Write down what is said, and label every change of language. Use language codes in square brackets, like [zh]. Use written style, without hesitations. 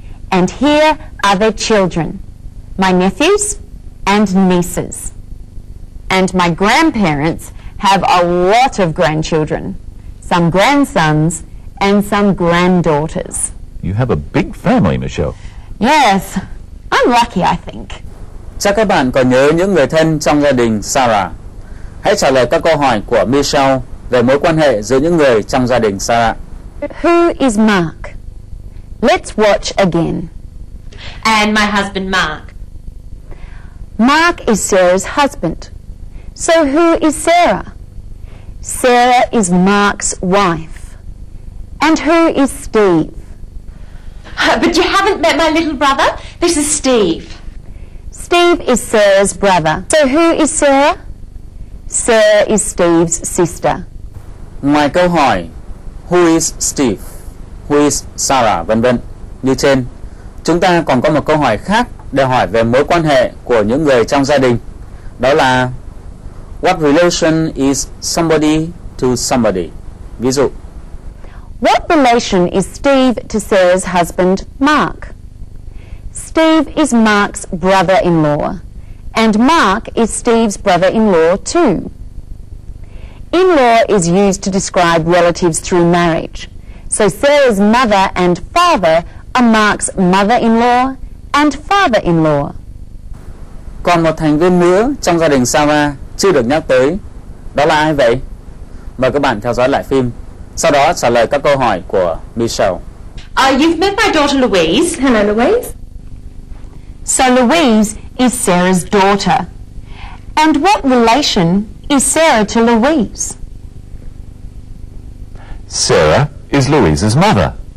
[en] And here are their children, my nephews and nieces. And my grandparents have a lot of grandchildren, some grandsons and some granddaughters. You have a big family, Michelle. Yes, I'm lucky, I think. [vi] Chắc các bạn còn nhớ những người thân trong gia đình Sarah. Hãy trả lời các câu hỏi của Michelle về mối quan hệ giữa những người trong gia đình Sarah. [en] Who is Mark? Let's watch again. And my husband Mark. Mark is Sarah's husband. So who is Sarah? Sarah is Mark's wife. And who is Steve? But you haven't met my little brother. This is Steve. Steve is Sarah's brother. So who is Sarah? Sarah is Steve's sister. [vi] My câu hỏi, [en] who is Steve? Who is Sarah, [vi] vân vân. Như trên, chúng ta còn có một câu hỏi khác để hỏi về mối quan hệ của những người trong gia đình. Đó là [en] what relation is somebody to somebody? [vi] Ví dụ, [en] what relation is Steve to Sarah's husband, Mark? Steve is Mark's brother-in-law, and Mark is Steve's brother-in-law too. In-law is used to describe relatives through marriage. So Sarah's mother and father are Mark's mother-in-law and father-in-law. [vi] Còn một thành viên nữa trong gia đình Sarah chưa được nhắc tới. Đó là ai vậy? Mời các bạn theo dõi lại phim. Sau đó trả lời các câu hỏi của Michelle. [en] You've met my daughter Louise. Hello, Louise. So Louise is Sarah's daughter. And what relation is Sarah to Louise? Sarah is Louise's mother.